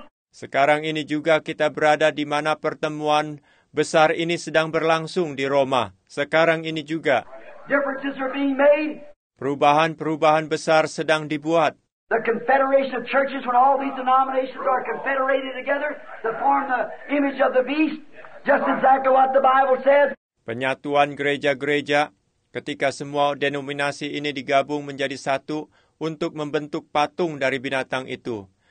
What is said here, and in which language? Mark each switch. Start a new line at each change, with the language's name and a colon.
Indonesian: Sekarang ini juga kita berada di mana pertemuan besar ini sedang berlangsung di Roma. Sekarang ini juga.
English: Differences are being made.
Indonesian: Perubahan-perubahan besar sedang dibuat.
English: The confederation of churches, when all these denominations are confederated together to form the image of the beast, just exactly what the Bible says.
Indonesian: Penyatuan gereja-gereja, ketika semua denominasi ini digabung menjadi satu untuk membentuk patung dari binatang itu.